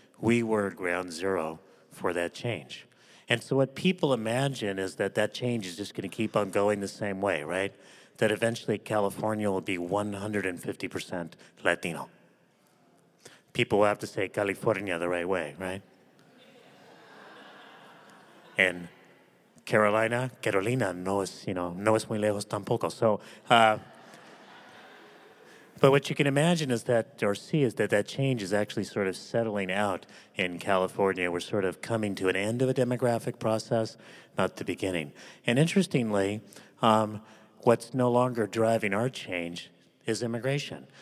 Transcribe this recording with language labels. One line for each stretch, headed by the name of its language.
English: We were ground zero for that change. And so what people imagine is that that change is just going to keep on going the same way, right? That eventually California will be 150% Latino. People will have to say California the right way, right?
Spanish: And Carolina, no es muy lejos tampoco.
English: So, but what you can imagine is that, or see, is that that change is actually sort of settling out in California. We're sort of coming to an end of a demographic process, not the beginning. And interestingly, what's no longer driving our change is immigration.